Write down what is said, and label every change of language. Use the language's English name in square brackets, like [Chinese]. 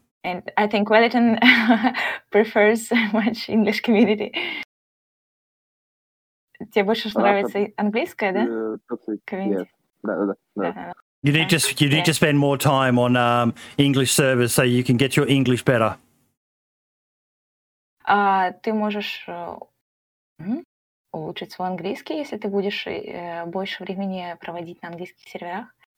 [English] And I think Wellington prefers much English community. [Russian] Тебе больше нравится английская, да? [English] Yes. You need to spend more time on English servers so you can get your English better. [Russian] Ты можешь улучшить свой английский, если ты будешь больше времени проводить на английских серверах.